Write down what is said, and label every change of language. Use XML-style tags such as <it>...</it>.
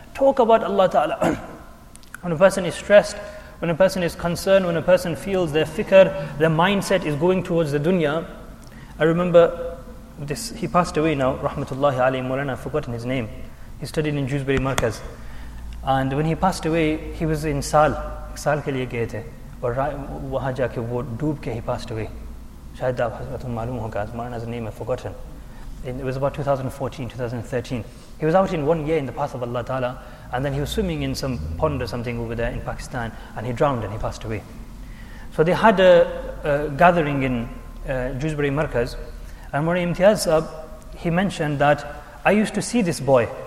<en>Talk about Allah ta'ala. When a person is stressed, when a person is concerned, when a person feels their fikr, their mindset is going towards the dunya. I remember this, he passed away now, rahmatullahi alayhi mawlana, I've forgotten his name. He studied in Jewsbury Markaz. And when he passed away, he was in</en> <ur>Sal ke liye gaye the. اور وہاں جا کے وہ ڈوب کے</ur> <en>he passed away.</en> <ur>شاید آپ حضرات معلوم ہوگا،</ur> <en>Maulana's name I've forgotten. It was about 2014, 2013. He was out in 1 year in the path of Allah Ta'ala, and then he was swimming in some pond or something over there in Pakistan, and he drowned and he passed away. So they had a gathering in Jewsbury Markaz, and Mawlana Imtiaz Saab, he mentioned that, I used to see this boy.</en>